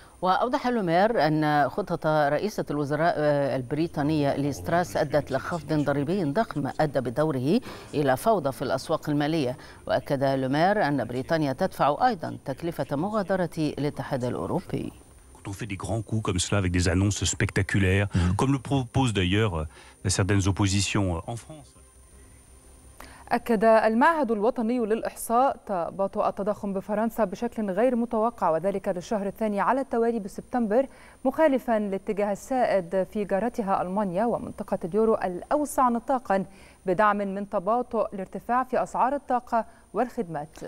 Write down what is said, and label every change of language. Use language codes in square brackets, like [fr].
[ar] وأوضح لومير أن خطة رئيسة الوزراء البريطانية ليستراس أدت لخفض ضريبي ضخم أدى بدوره إلى فوضى في الأسواق المالية. وأكد لومير أن بريطانيا تدفع أيضا تكلفة مغادرة الاتحاد الأوروبي. [fr] On fait des grands coups comme cela avec des annonces spectaculaires, comme le proposent d'ailleurs certaines oppositions en France. [ar] أكد المعهد الوطني للإحصاء تباطؤ التضخم بفرنسا بشكل غير متوقع، وذلك للشهر الثاني على التوالي بسبتمبر، مخالفا للاتجاه السائد في جارتها ألمانيا ومنطقة اليورو الأوسع نطاقا بدعم من تباطؤ الارتفاع في أسعار الطاقة والخدمات.